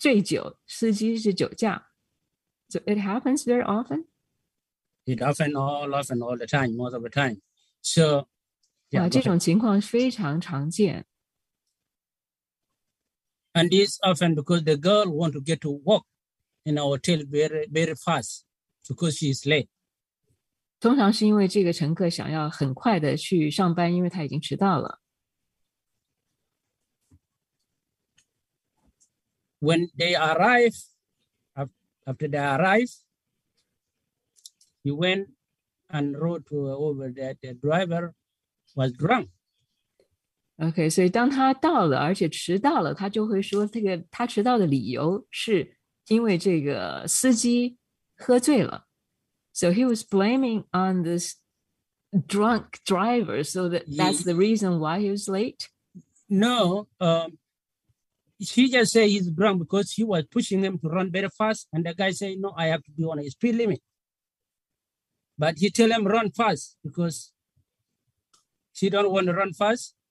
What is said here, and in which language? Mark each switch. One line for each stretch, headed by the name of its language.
Chinese: 所以就是司机被乘客投诉说是醉酒,司机是酒驾.
English: So it happens very often? It happens all the time, most of the time. So, yeah.
Chinese: 这种情况非常常见.
English: And this often because the girl wants to get to work in a hotel very, very fast because she's late.
Chinese: 通常是因为这个乘客想要很快的去上班, 因为他已经迟到了.
English: When they arrive, after they arrive, he went and wrote to over that the driver was drunk. Okay, so
Chinese: 当他到了而且迟到了, 他就会说这个他迟到的理由是因为这个司机喝醉了.
English: So he was blaming on this drunk driver, so that's the reason why he was late? No, he just said he's drunk because he was pushing him to run very fast. And the guy said, no, I have to be on a speed limit. But he tell him run fast because he don't want to run fast.